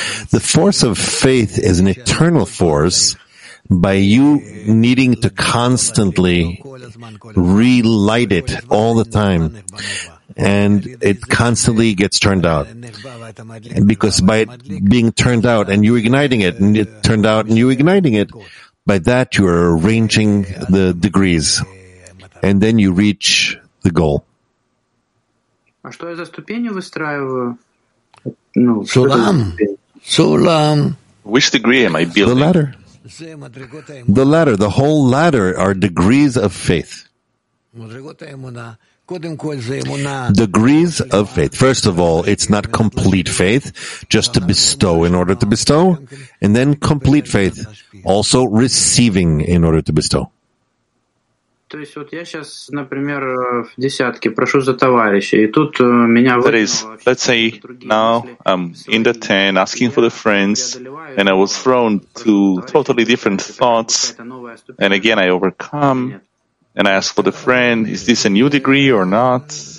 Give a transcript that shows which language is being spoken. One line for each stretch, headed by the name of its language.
English: The force of faith is an eternal force by you needing to constantly relight it all the time. And it constantly gets turned out. Because by it being turned out and you igniting it, and it turned out and you igniting it, by that you are arranging the degrees. and then you reach the goal.
Russian: А что я за ступенью выстраиваю? Ну, сулам. Сулам.
English: Which degree am I building? The ladder. The ladder, the whole ladder are degrees of faith. Degrees of faith. First of all, it's not complete faith, just to bestow in order to bestow, and then complete faith, also receiving in order to bestow.
Russian: То есть вот я сейчас, например, в десятке прошу за товарища, и тут меня вызвали.
English: That is, let's say now I'm in the ten asking for the friends, and I was thrown to totally different thoughts, and again I overcome, and I ask for the friend, is this a new degree or not?